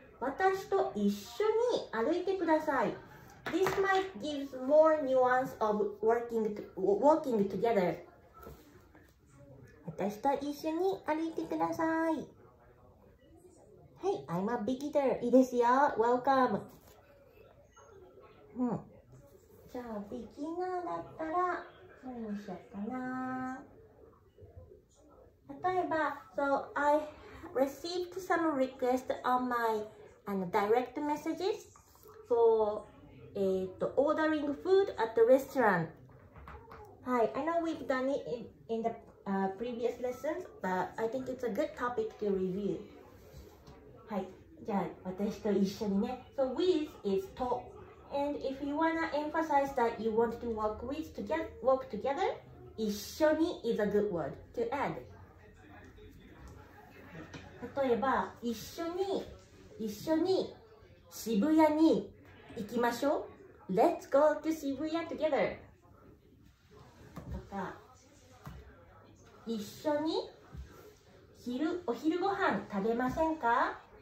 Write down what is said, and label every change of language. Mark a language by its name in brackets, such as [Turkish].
[Japanese] 私と一緒に歩いてください。 [English] This might give more nuance of walking together. [Japanese] 私と一緒に歩いてください。 [English] Hey, I'm a beginner. [Japanese] いいですよ。 [English] Welcome.、 [Japanese] じゃあ、ビギナーだったら何にしようかな。例えば、 [English] So, I received some requests on my direct messages for ordering food at the restaurant. Hi, I know we've done it in the previous lessons, but I think it's a good topic to review. [Japanese] はい、じゃあ私と一緒にね。 [English] So with is to. And if you wanna emphasize that you want to walk with together, walk together, [Japanese] 一緒に [English] is a good word to add. [Japanese] 例えば、一緒に渋谷に行きましょう。 [English] Let's go to 渋谷 together. [Japanese] とか、一緒に昼お昼ご飯食べませんか?